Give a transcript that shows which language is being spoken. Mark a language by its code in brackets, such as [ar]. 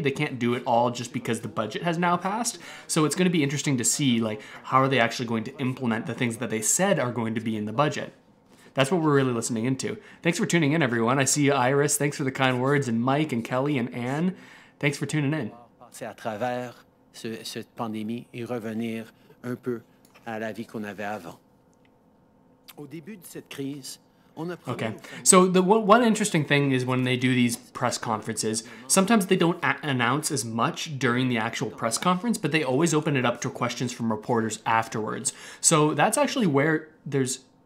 [en] They can't do it all just because the budget has now passed. So it's going to be interesting to see, like, how are they actually going to implement the things that they said are going to be in the budget? That's what we're really listening into. Thanks for tuning in, everyone. I see you, Iris. Thanks for the kind words, and Mike and Kelly and Anne. Thanks for tuning in. [fr] À travers cette pandémie et revenir un peu à la vie qu'on avait avant. Au début de cette crise, [en] okay, so the one interesting thing is when they do these press conferences, sometimes they don't announce as much during the actual press conference, but they always open it up to questions from reporters afterwards. So that's actually where there's...